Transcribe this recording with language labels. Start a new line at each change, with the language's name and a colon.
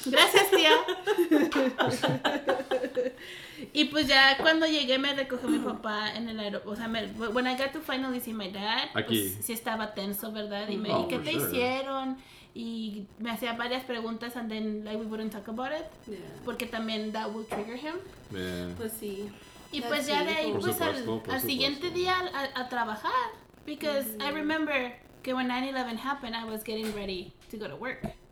Spanish: Gracias, tía. Y pues ya cuando llegué me recogió mi papá en el aeropuerto. O sea,
English: when I got to finally see my dad,
Spanish: aquí. Pues sí estaba tenso, ¿verdad? Y me dijo, ¿qué te hicieron? Y me hacía varias preguntas
English: and then, like, we wouldn't talk about it. Yeah.
Spanish: Porque también
English: that would trigger him. Man.
Spanish: Pues sí. Y
English: that's
Spanish: pues ya de ahí, pues al siguiente día a trabajar.
English: Because I remember
Spanish: que
English: when 9/11 happened, I was getting ready to go to work.